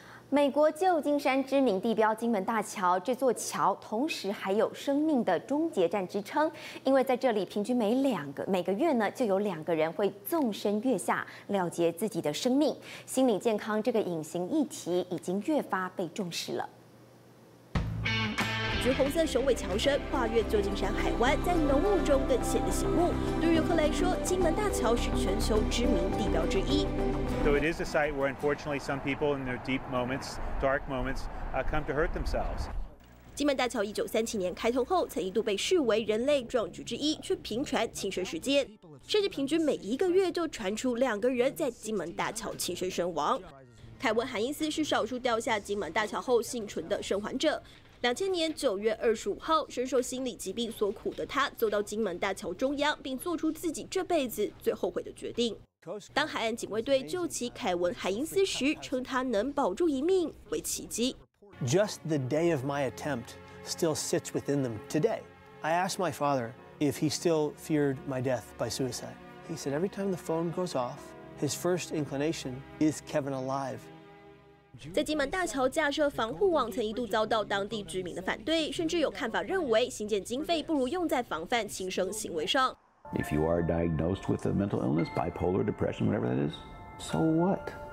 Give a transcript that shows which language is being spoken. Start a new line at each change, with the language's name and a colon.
Chinese: 美国旧金山知名地标金门大桥，这座桥同时还有生命的终结站之称，因为在这里平均每个月呢，就有2个人会纵身跃下了结自己的生命。心理健康这个隐形议题已经越发被重视了。橘红色首尾桥身跨越旧金山海湾，在浓雾中更显得醒目。对游客来说，金门大桥是全球知名地标之一。
English: So it is a site where, unfortunately, some people in their deep moments, dark moments, come to hurt themselves.
Chinese: 金门大桥1937年开通后，曾一度被视为人类壮举之一，却频传轻生事件，甚至平均每1个月就传出2个人在金门大桥轻生身亡。凯文·韩因斯是少数掉下金门大桥后幸存的生还者。 2000年9月25号，深受心理疾病所苦的他走到金门大桥中央，并做出自己这辈子最后悔的决定。当海岸警卫队救起凯文·海因斯时，称他能保住一命为奇迹。
English: Just the day of my attempt still sits within them today. I asked my father if he still feared my death by suicide. He said every time the phone goes off, his first inclination is Kevin alive.
Chinese: 在金门大桥架设防护网，曾一度遭到当地居民的反对，甚至有看法认为新建经费不如用在防范轻生行为上。
English: If you are diagnosed with a mental illness, bipolar, depression, whatever that is, so what?